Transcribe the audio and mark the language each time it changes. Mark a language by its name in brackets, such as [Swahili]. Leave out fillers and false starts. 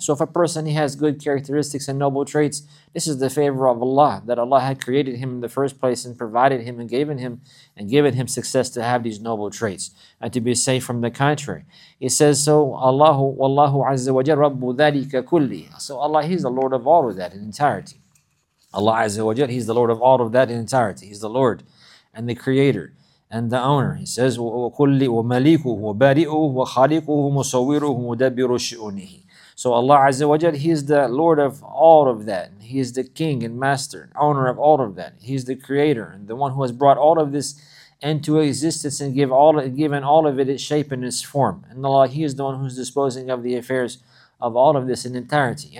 [English] So if a person, he has good characteristics and noble traits, this is the favor of Allah, that Allah had created him in the first place and provided him and given him and given him success to have these noble traits and to be safe from the contrary. He says, so [Arabic] Allahu wallahu azza wa jalla rabbu dhalika kulli. [English] So Allah, he's the Lord of all of that in entirety. Allah Azza wa Jalla, he's the Lord of all of that in entirety. He's the Lord and the Creator and the Owner. He says, [Arabic] وَكُلِّ وَمَلِيكُهُ وَبَارِئُهُ وَخَالِقُهُ مُصَوِّرُهُ مُدَبِّرُ شِئُونِهِ. [English] So Allah Azza wa Jalla, he's the Lord of all of that. He is the King and Master and Owner of all of that. He's the Creator and the one who has brought all of this into existence and given all of it its shape and its form. And Allah, he is the one who's disposing of the affairs of all of this in entirety.